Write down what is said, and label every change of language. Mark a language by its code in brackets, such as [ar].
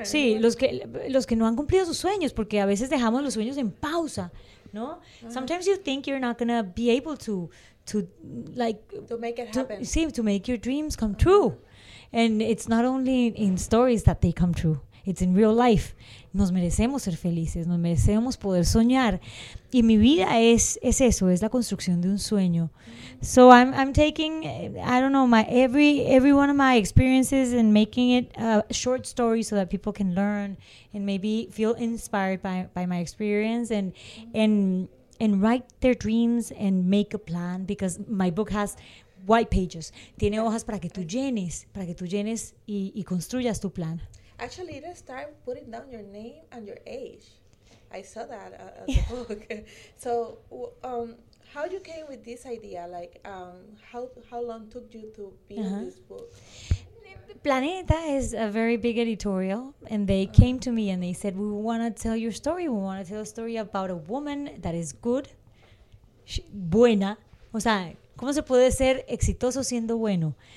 [es] Sí, los que no han cumplido sus sueños, porque a veces dejamos los sueños en pausa. No? [en] Sometimes you think you're not gonna be able to make it happen. See, to make your dreams come true. And it's not only in stories that they come true. It's in real life. [es] Nos merecemos ser felices, nos merecemos poder soñar. Y mi vida es eso, es la construcción de un sueño. [en] So I'm taking, I don't know, my every one of my experiences and making it a short story so that people can learn and maybe feel inspired by my experience and write their dreams and make a plan, because my book has white pages. [es] Tiene hojas para que tú llenes y construyas tu plan. [en] Actually, it is time putting down your name and your age. I saw that at the book. So, how you came with this idea? Like, how long took you to be in this book? Planeta is a very big editorial, and they came to me and they said, "We want to tell your story. We want to tell a story about a woman that is good, buena." [es] O sea, ¿cómo se puede ser exitoso siendo bueno?